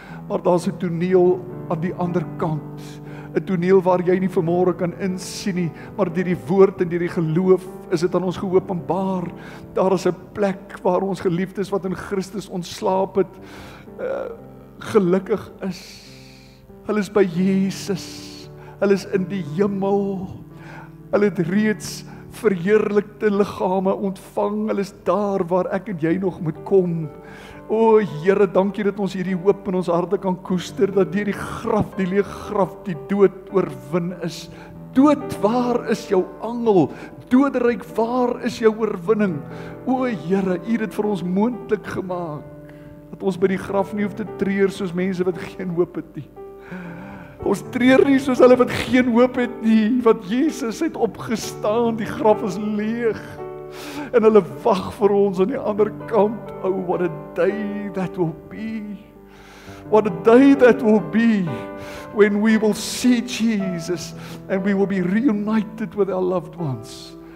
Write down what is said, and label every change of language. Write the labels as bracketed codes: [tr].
[af] Maar daar's 'n toneel aan die ander kant. 'N toneel waar jy nie vanmôre kan insien nie, maar deur die woord en deur die geloof is dit aan ons geopenbaar. Daar is 'n plek waar ons geliefdes wat in Christus ontslaap het, gelukkig is. Hulle is by Jesus. Hulle is in die hemel. Hulle het reeds verheerlikte liggame ontvang. Hulle is daar waar ek en jy nog moet kom. O Here, dankie dat ons hierdie hoop in ons harte kan koester, dat deur die graf, die leeg graf, die dood oorwin is. Dood, waar is jou angel? dodenryk, waar is jou oorwinning? O Here, U het vir ons moontlik gemaak, dat ons by die graf nie hoef te treur soos mense wat geen hoop het nie. Ons treur nie soos hulle wat geen hoop het nie, want Jesus het opgestaan, die graf is leeg, en hulle wag vir ons aan die ander kant. [en] Oh, what a day that will be. What a day that will be when we will see Jesus and we will be reunited with our loved ones.